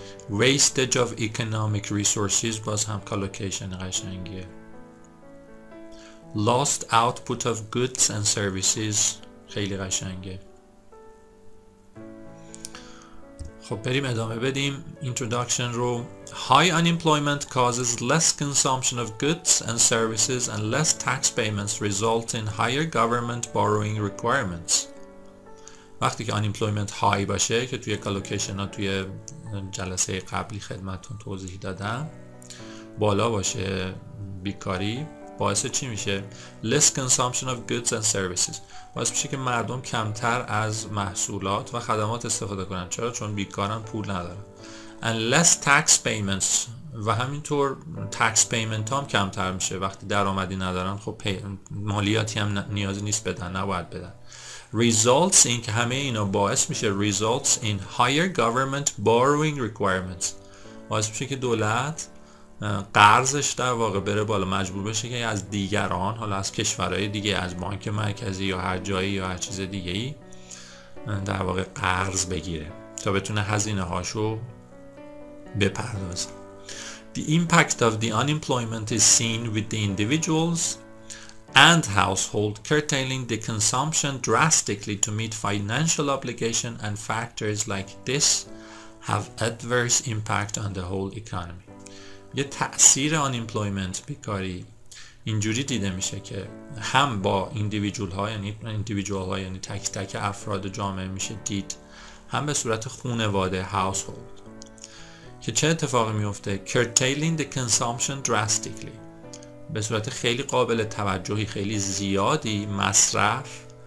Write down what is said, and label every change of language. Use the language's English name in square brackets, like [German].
[English] Wastage of economic resources [Persian] باز هم [English] collocation [Persian] قشنگیه. [English] Lost output of goods and services [Persian] خیلی قشنگه. خب بریم ادامه بدیم introduction رو. [English] High unemployment causes less consumption of goods and services and less tax payments result in higher government borrowing requirements. [Persian] وقتی که [English] unemployment high [Persian] باشه که توی collocation ها توی جلسه قبلی خدمتون توضیح دادم، بالا باشه بیکاری، باعث چی میشه؟ [English] less consumption of goods and services، [Persian] باعث میشه که مردم کمتر از محصولات و خدمات استفاده کنن. چرا؟ چون بیکارن، پول ندارن. [English] and less tax payments، [Persian] و همینطور tax payment هم کمتر میشه وقتی درآمدی ندارن. خب مالیاتی هم نیازی نیست بدن، نباید بدن. [English] Results in [Persian] که همه اینا باعث میشه، [English] results in higher government borrowing requirements، [Persian] باعث میشه که دولت قرضش در واقع بره بالا، مجبور بشه که از دیگران، حالا از کشورهای دیگه، از بانک مرکزی یا هر جایی یا هر چیز دیگه ای در واقع قرض بگیره تا بتونه هزینه هاشو بپردازه. [English] The impact of the unemployment is seen with the individuals and household curtailing the consumption drastically to meet financial obligation, and factors like this have adverse impact on the whole economy. [Persian] یه تأثیر unemployment بیکاری اینجوری دیده میشه که هم با individual ها یعنی تک تک افراد جامعه میشه دید، هم به صورت خانواده household که چه اتفاقی میفته. [English] Curtailing the consumption drastically، [Persian] به صورت خیلی قابل توجهی خیلی زیادی مصرف.